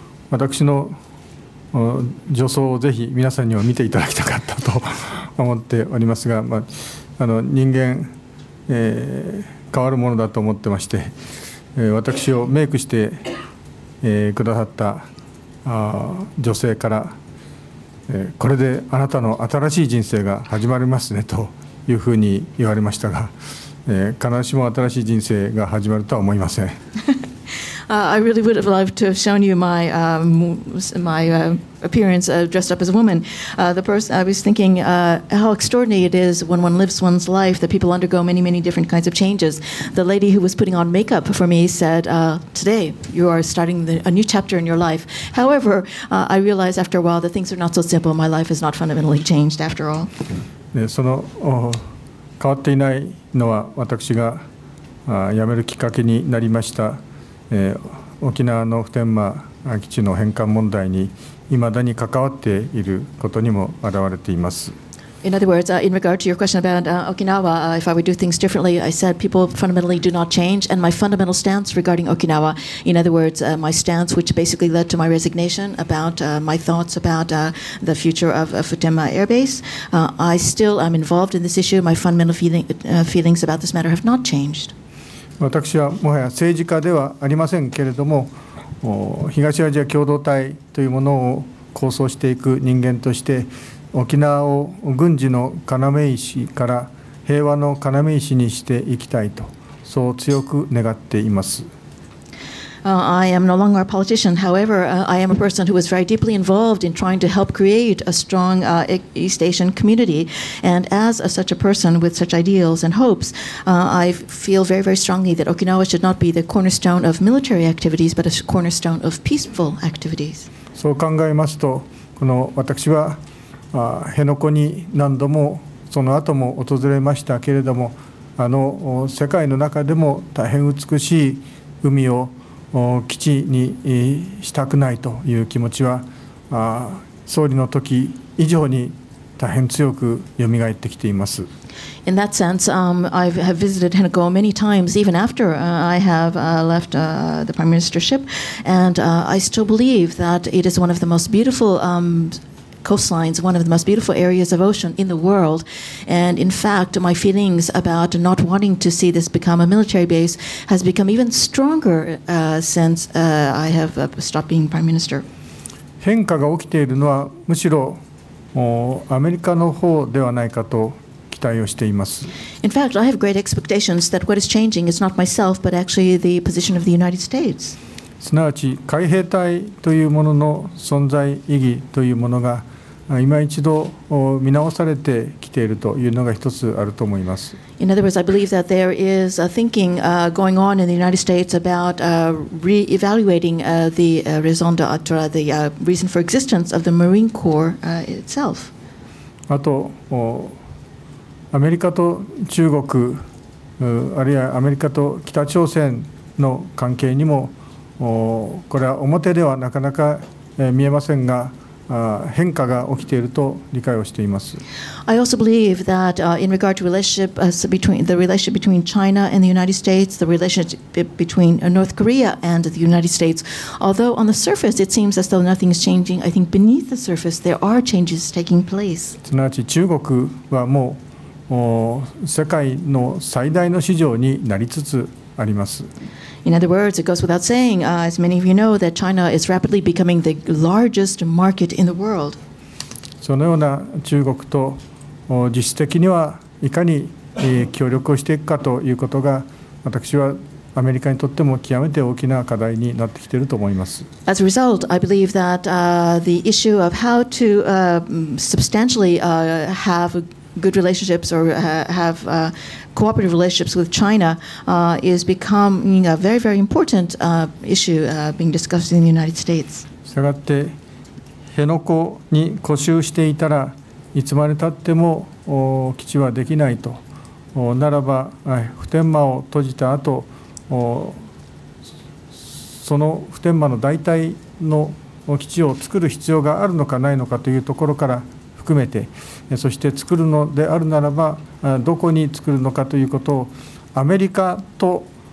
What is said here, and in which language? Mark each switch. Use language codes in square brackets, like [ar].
[ja] 私の助走をぜひ皆さんには見ていただきたかったと思っておりますが、まあ、人間、変わるものだと思ってまして、私をメイクしてくださった女性から、これであなたの新しい人生が始まりますねというふうに言われましたが、必ずしも新しい人生が始まるとは思いません。 [en] I really would have loved to have shown you my appearance dressed up as a woman. The person I was thinking how extraordinary it is when one lives one's life that people undergo many, many different kinds of changes. The lady who was putting on makeup for me said, today you are starting a new chapter in your life. However, I realized after a while that things are not so simple. My life has not fundamentally changed after all. [ja] その変わっていないのは私が辞めるきっかけになりました。沖縄の普天間基地の返還問題に未だに関わっていることにも表れています。 [en] In other words, in regard to your question about Okinawa, if I would do things differently, I said people fundamentally do not change, and my fundamental stance regarding Okinawa, in other words, my stance which basically led to my resignation about my thoughts about the future of Futenma Air Base, I still am involved in this issue. My fundamental feelings about this matter have not changed. [ja] 私はもはや政治家ではありませんけれども、東アジア共同体というものを構想していく人間として、沖縄を軍事の要石から平和の要石にしていきたいと、そう強く願っています。 [en] I am no longer a politician. However, I am a person who was very deeply involved in trying to help create a strong East Asian community. And as such a person with such ideals and hopes, I feel very, very strongly that Okinawa should not be the cornerstone of military activities, but a cornerstone of peaceful activities. [ja] そう考えますと、この私は辺野古に何度もその後も訪れましたけれども、世界の中でも大変美しい海を基地にしたくないという気持ちは、総理の時以上に大変強く蘇ってきています。 [en] In that sense, I have visited Henoko many times, even after I have left the prime ministership, and I still believe that it is one of the most beautiful coastlines, one of the most beautiful areas of ocean in the world. And in fact, my feelings about not wanting to see this become a military base has become even stronger since I have stopped being prime minister. [ja] 変化が起きているのはむしろアメリカの方ではないかと期待をしています。 [en] In fact, I have great expectations that what is changing is not myself, but actually the position of the United States. [ja] すなわち海兵隊というものの存在意義というものが今一度見直されてきているというのが一つあると思います。 [en] In other words, I believe that there is a thinking going on in the United States about re-evaluating the raison d'être, the reason for existence of the Marine Corps itself. [ja] あとアメリカと中国、あるいはアメリカと北朝鮮の関係にも、これは表ではなかなか見えませんが、変化が起きていると理解をしています。 [en] I also believe that in regard to relationship between the relationship between China and the United States, the relationship between North Korea and the United States, although on the surface it seems as though nothing is changing, I think beneath the surface there are changes taking place. [ja] すなわち中国はもう世界の最大の市場になりつつあります。 [en] In other words, it goes without saying, as many of you know, that China is rapidly becoming the largest market in the world. [ja] そのような中国と実質的にはいかに協力をしていくかということが、私はアメリカにとっても極めて大きな課題になってきていると思います。 [en] As a result, I believe that the issue of how to substantially have good relationships or have cooperative relationships with China is becoming a very, very important issue being discussed in the United States. [ja] したがって辺野古に固執していたらいつまでたっても基地はできないと、ならば普天間を閉じた後、その普天間の代替の基地を作る必要があるのかないのかというところから含めて、そして作るのであるならばどこに作るのかということをアメリカと